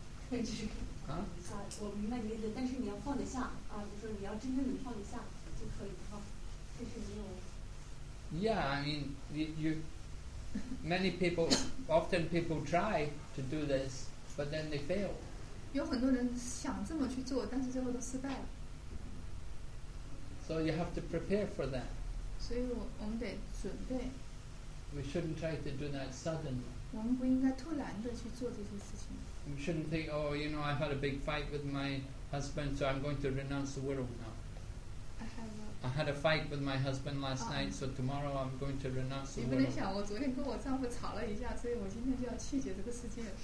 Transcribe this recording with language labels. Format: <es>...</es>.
<zh>我明白你的意思，但是你要放得下啊，就是你要真正能放得下就可以哈，这是没有。</zh> <en>Yeah, I mean, you. Many people, often people try to do this, but then they fail.</en> <zh>有很多人想这么去做，但是最后都失败了。</zh> <en>So you have to prepare for that.</en> <zh>所以我们得准备。</zh> <en>We shouldn't try to do that suddenly. 我们不应该突然的去做这些事情。 We shouldn't think, oh, you know, I had a big fight with my husband, so I'm going to renounce the world now. I had a fight with my husband last night, so tomorrow I'm going to renounce the world.</en> <zh>你不能想我昨天跟我丈夫吵了一架，所以我今天就要弃绝这个世界。</zh>